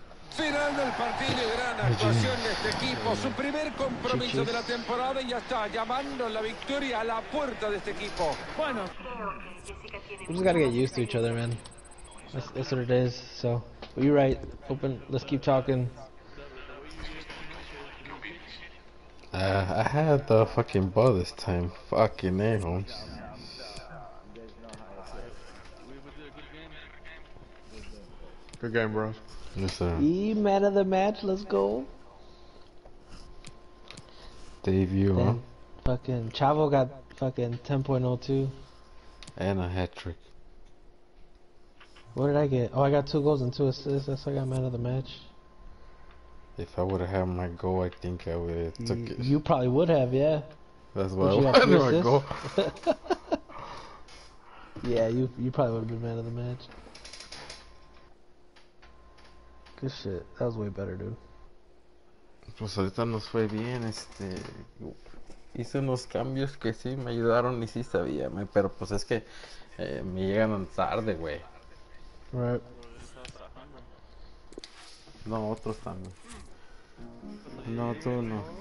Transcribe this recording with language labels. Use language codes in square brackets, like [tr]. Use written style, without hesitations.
[es] Final del partido, gran actuación de este equipo. Su primer compromiso de la temporada y ya está llamando la victoria a la puerta de este equipo. Bueno, [en] we just gotta get used to each other, man. That's what it is. So, you're right. Open. Let's keep talking. I had the fucking ball this time. Fucking A, homes. Good game, bro. Yes, sir. E-man of the match, let's go. Debut, huh? Fucking Chavo got fucking 10.02. And a hat trick. What did I get? Oh, I got 2 goals and 2 assists. That's why I got man of the match. If I would have had my goal, I think I would have took it. You probably would have, yeah. That's why I wanted my goal. Yeah, you probably would have been man of the match. Good shit. That was way better, dude. [es] Pues ahorita nos fue bien, Hice unos cambios que sí me ayudaron y sí sabía, pero pues es que me llegan tarde, güey. [en] Right. [es] No, otros también. No, tú no.